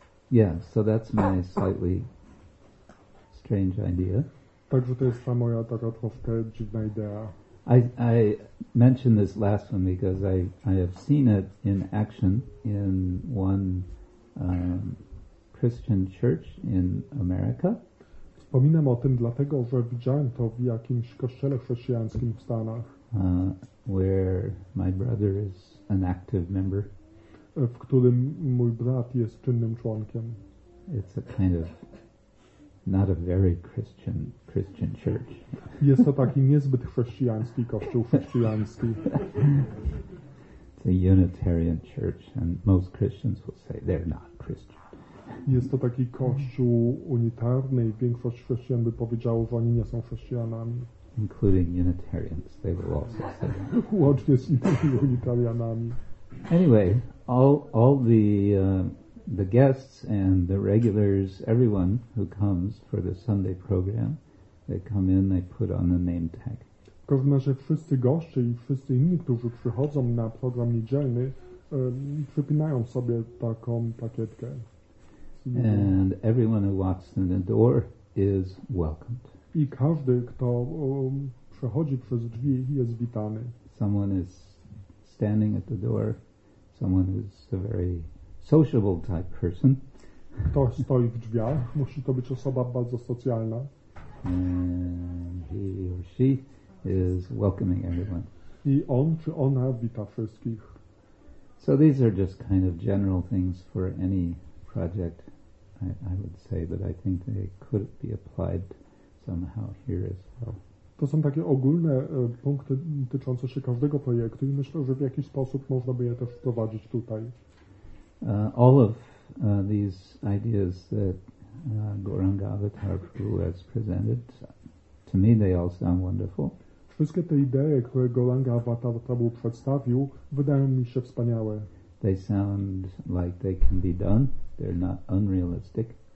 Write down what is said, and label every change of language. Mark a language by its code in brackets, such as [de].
[en] Yeah, so that's my slightly strange idea. [pl] Także to jest ta moja taka troszkę dziwna idea. [en] I mentioned this last one because I have seen it in action in one Christian church in America. [pl] Wspominam o tym dlatego, że widziałem to w jakimś kościele chrześcijańskim w Stanach. [en] Where my brother is an active member. [pl] W którym mój brat jest czynnym członkiem. [en] It's a kind of not a very Christian church. [pl] Jest to taki niezbyt chrześcijański kościół chrześcijański. [en] It's a Unitarian church, and most Christians will say they're not Christian. [pl] Jest to taki kościół unitarny i większość chrześcijan by powiedziało, że oni nie są chrześcijanami. [en] Including Unitarians, they will also say that. [pl] Łącznie z innymi unitarianami. [en] Anyway, all the guests and the regulars, everyone who comes for the Sunday program, they come in, they put on a name tag. [pl] W każdym razie wszyscy goście i wszyscy inni, którzy przychodzą na program niedzielny, przypinają sobie taką plakietkę. [en] And everyone who walks in the door is welcomed. [pl] I każdy, kto przechodzi przez drzwi, jest witany. [en] Someone is standing at the door. Someone who's a very sociable type person. [pl] Kto stoi w drzwiach, musi to być osoba bardzo socjalna. [en] And he or she is welcoming everyone. [pl] I on czy ona wita wszystkich. [en] So these are just kind of general things for any project, I would say, but I think they could be applied somehow here as well. [pl] To są takie ogólne punkty dotyczące się każdego projektu i myślę, że w jakiś sposób można by je też wprowadzić tutaj. [en] All of these ideas that Gauranga Avatar Prabhu has presented, to me they all sound wonderful. [pl] Wszystkie te idee, które Goranga Vatavatrabhu przedstawił, wydają mi się wspaniałe. [en] They sound like they can be done. They're not unrealistic.